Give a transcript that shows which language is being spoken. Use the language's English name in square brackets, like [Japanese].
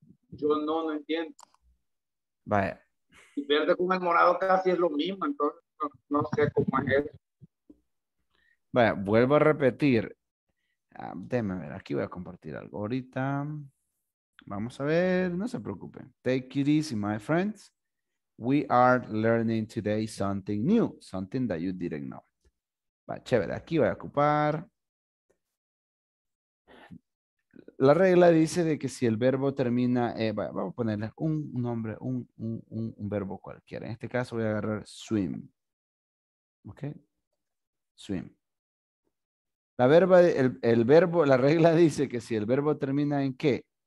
[Spanish] Yo no entiendo. Vaya. El verde con el morado casi es lo mismo, entonces no sé cómo es eso. Vaya, vuelvo a repetir. Déjame ver, aquí voy a compartir algo ahorita. Vamos a ver, no se preocupen. [English] Take it easy, my friends. We are learning today something new, something that you didn't know. [Spanish] Va, chévere, aquí voy a ocupar. La regla dice de que si el verbo termina, vamos a ponerle un nombre, un verbo cualquiera. En este caso voy a agarrar swim. ¿Ok? Swim. La regla dice que si el verbo termina en qué.